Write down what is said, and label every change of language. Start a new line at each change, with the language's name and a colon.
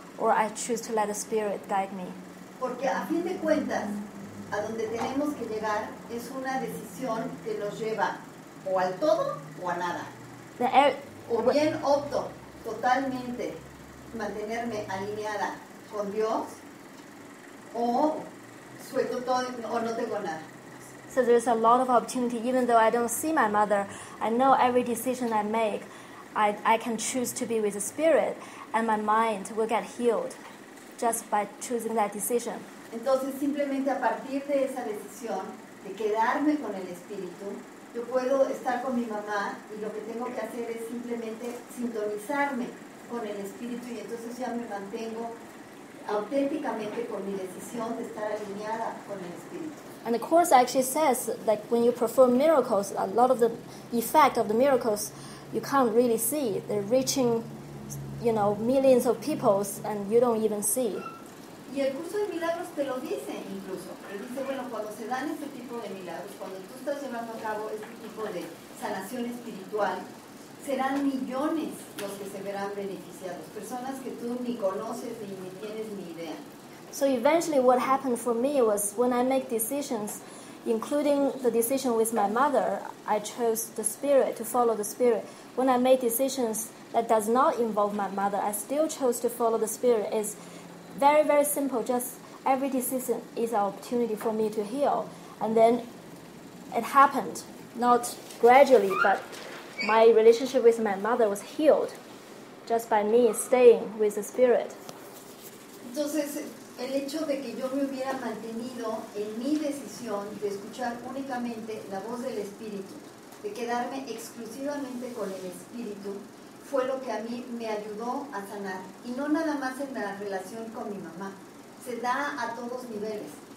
English: Or I choose to let the Spirit guide me.
Spanish: Porque a fin de cuentas, a donde tenemos que llegar es una decisión que nos lleva o al todo o a nada. O bien opto totalmente mantenerme alineada con Dios, o suelto todo o no tengo nada.
English: So there's a lot of opportunity. Even though I don't see my mother, I know every decision I make, I can choose to be with the Spirit. And my mind will get healed just by choosing that decision.
Spanish: Entonces, simplemente a partir de esa decisión de quedarme con el Espíritu, yo puedo estar con mi mamá y lo que tengo que hacer es simplemente sintonizarme con el Espíritu y entonces ya me mantengo auténticamente con mi decisión de estar alineada con el Espíritu.
English: And the Course actually says that when you perform miracles, a lot of the effect of the miracles you can't really see. They're reaching, you know, millions of people, and you don't even see.
Spanish: Y el curso de milagros te lo dice incluso. Él dice, bueno, cuando se dan este tipo de milagros, cuando tú estás llevando a cabo este tipo de sanación espiritual, serán millones los que se verán beneficiados, personas que tú ni conoces ni tienes ni idea.
English: So eventually what happened for me was when I make decisions, including the decision with my mother, I chose the Spirit, to follow the Spirit. When I made decisions that does not involve my mother, I still chose to follow the Spirit. It's very, very simple. Just every decision is an opportunity for me to heal. And then it happened, not gradually, but my relationship with my mother was healed just by me staying with the Spirit.
Spanish: Entonces, el hecho de que yo me hubiera mantenido en mi decisión de escuchar únicamente la voz del Espíritu, de quedarme exclusivamente con el Espíritu, fue lo que a mí me ayudó a sanar. Y no nada más en la relación con mi mamá. Se da a todos niveles.